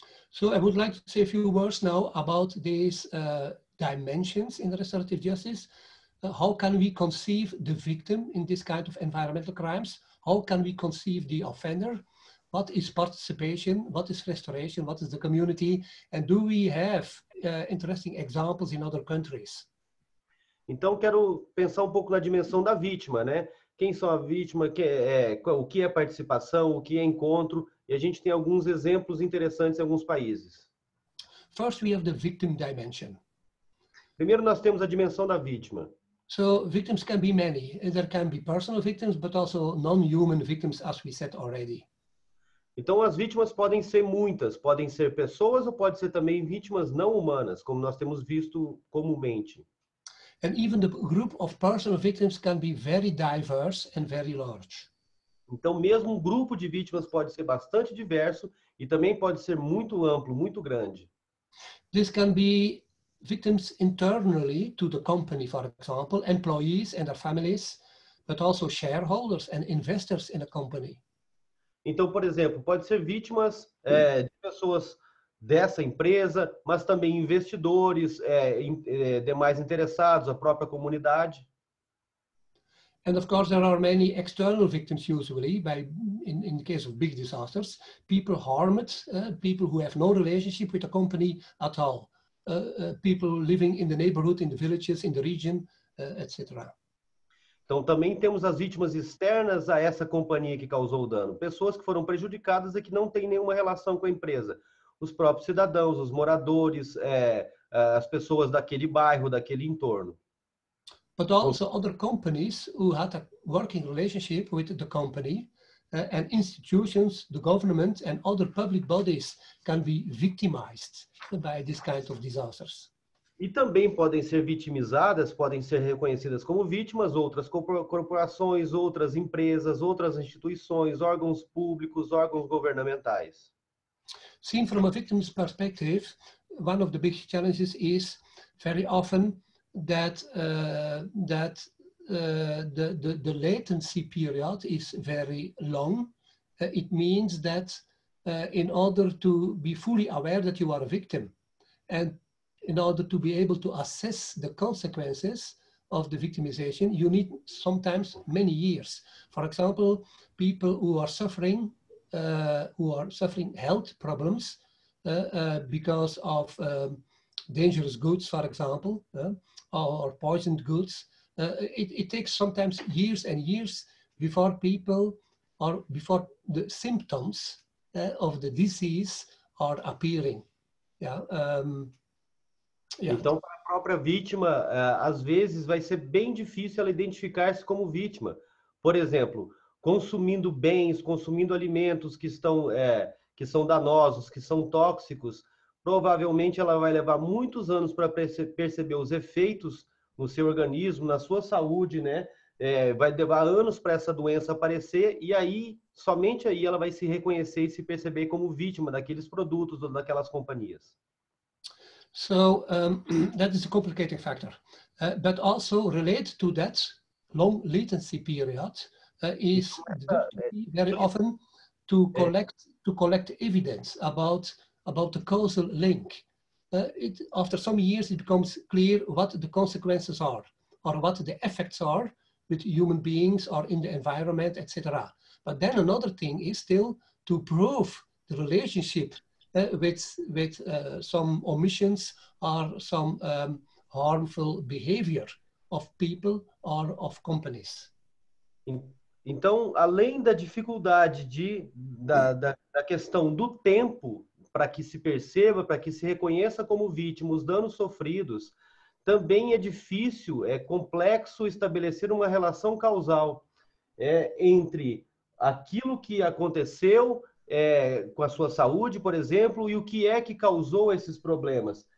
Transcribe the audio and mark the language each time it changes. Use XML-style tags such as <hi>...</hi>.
<en>So I would like to say a few words now about these dimensions in restorative justice. How can we conceive the victim in this kind of environmental crimes? How can we conceive the offender? What is participation? What is restoration? What is the community? And do we have interesting examples in other countries?</en> <pt>Então, quero pensar pouco na dimensão da vítima, né? Quem são a vítima? O que é participação? O que é encontro? E a gente tem alguns exemplos interessantes em alguns países.</pt> <en>First, we have the victim dimension.</en> <pt>Primeiro, nós temos a dimensão da vítima.</pt> <en>So, victims can be many. There can be personal victims, but also non-human victims, as we said already.</en> <pt>Então, as vítimas podem ser muitas, podem ser pessoas ou podem ser também vítimas não humanas, como nós temos visto comumente.</pt> <en>And even the group of personal victims can be very diverse and very large.</en> <pt>Então, mesmo um grupo de vítimas pode ser bastante diverso e também pode ser muito amplo, muito grande.</pt> <en>This can be victims internally to the company, for example, employees and their families, but also shareholders and investors in a company.</en> <pt>Então, por exemplo, pode ser vítimas de pessoas dessa empresa, mas também investidores, demais interessados, a própria comunidade.</pt> <en>And of course, there are many external victims usually, in the case of big disasters, people harmed, people who have no relationship with the company at all, people living in the neighborhood, in the villages, in the region, etc.</en> <pt>Então, também temos as vítimas externas a essa companhia que causou o dano. Pessoas que foram prejudicadas e que não têm nenhuma relação com a empresa. Os próprios cidadãos, os moradores, as pessoas daquele bairro, daquele entorno.</pt> <en>But also other companies who had a working relationship with the company and institutions, the government and other public bodies can be victimized by this kind of disasters.</en> <pt>E também podem ser vitimizadas, podem ser reconhecidas como vítimas, outras corporações, outras empresas, outras instituições, órgãos públicos, órgãos governamentais.</pt> <en>Sim, from a victim's perspective, one of the big challenges is very often that the latency period is very long. It means that in order to be fully aware that you are a victim and in order to be able to assess the consequences, of the victimization, you need sometimes many years. For example, people who are suffering, health problems because of dangerous goods, for example, or poisoned goods. It takes sometimes years and years before people or before the symptoms of the disease are appearing.</en> <pt>Então, para a própria vítima, às vezes vai ser bem difícil ela identificar-se como vítima. Por exemplo, consumindo bens, consumindo alimentos que estão que são danosos, que são tóxicos, provavelmente ela vai levar muitos anos para perceber os efeitos no seu organismo, na sua saúde, né? Vai levar anos para essa doença aparecer e aí, somente aí, ela vai se reconhecer e se perceber como vítima daqueles produtos ou daquelas companhias.</pt> <en>So that is a complicating factor, but also related to that long latency period is very often to collect evidence about the causal link. After some years, it becomes clear what the consequences are or what the effects are with human beings or in the environment, etc. But then another thing is still to prove the relationship with some omissions or some harmful behavior of people or of companies.</en> <pt>Então, além da dificuldade da questão do tempo para que se perceba, para que se reconheça como vítima os danos sofridos, também é difícil, é complexo estabelecer uma relação causal entre aquilo que aconteceu com a sua saúde, por exemplo, e o que é que causou esses problemas.</pt>